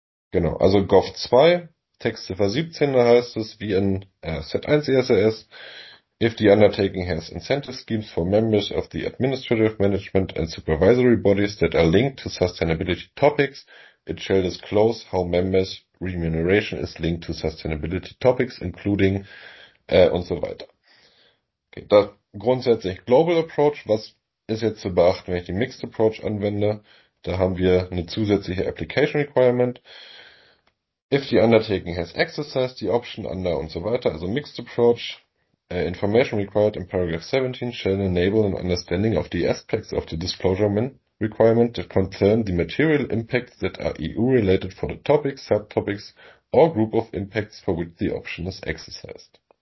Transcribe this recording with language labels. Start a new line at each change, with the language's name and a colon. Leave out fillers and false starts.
German: Genau, also GOV 2, Textziffer 17, da heißt es, wie in Set 1 ESRS,
English: if the undertaking has incentive schemes for members of the administrative management and supervisory bodies that are linked to sustainability topics, it shall disclose how members' remuneration is linked to sustainability topics, including
German: und so weiter. Okay, da grundsätzlich Global Approach, was ist jetzt zu beachten, wenn ich die Mixed Approach anwende? Da haben wir eine zusätzliche Application Requirement.
English: If the undertaking has exercised the option under
German: und so weiter, also Mixed Approach,
English: information required in paragraph 17 shall enable an understanding of the aspects of the disclosure requirement that concern the material impacts that are EU-related for the topics, subtopics or group of impacts for which the option is exercised.